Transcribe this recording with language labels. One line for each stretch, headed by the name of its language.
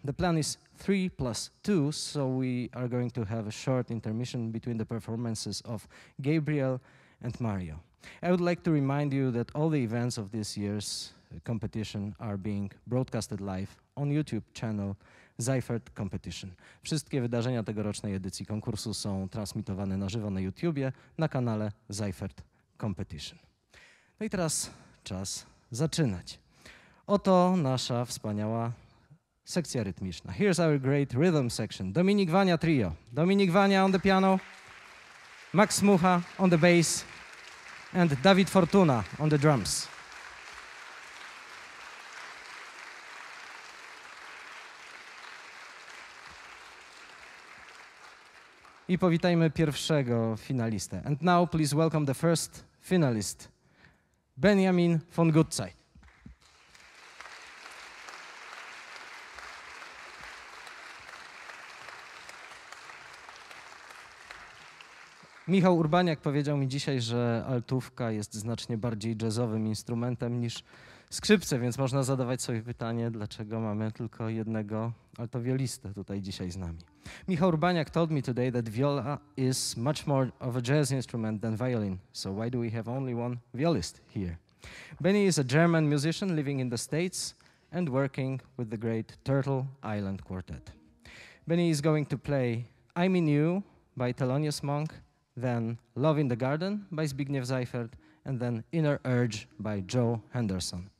English: The plan is three plus two, so we are going to have a short intermission between the performances of Gabriel and Mario. I would like to remind you that all the events of this year's competition are being broadcasted live on YouTube channel Seifert Competition.
Polish: Wszystkie wydarzenia tegorocznej edycji konkursu są transmitowane na żywo na YouTubie na kanale Seifert Competition. No i teraz czas zaczynać. Oto nasza wspaniała sekcja rytmiczna.
English: Here's our great rhythm section. Dominik Wania Trio. Dominik Wania on the piano, Max Mucha on the bass and Dawid Fortuna on the drums.
Polish: I powitajmy pierwszego finalistę.
English: And now please welcome the first finalist, Benjamin von Goodside.
Polish: Michał Urbaniak powiedział mi dzisiaj, że altówka jest znacznie bardziej jazzowym instrumentem niż skrzypce, więc można zadawać sobie pytanie, dlaczego mamy tylko jednego altowiolistę tutaj dzisiaj z nami.
English: Michał Urbaniak told me today that viola is much more of a jazz instrument than violin, so why do we have only one violist here? Benny is a German musician living in the States and working with the great Turtle Island Quartet. Benny is going to play I Mean You by Thelonious Monk, then Love in the Garden by Zbigniew Seifert, and then Inner Urge by Joe Henderson.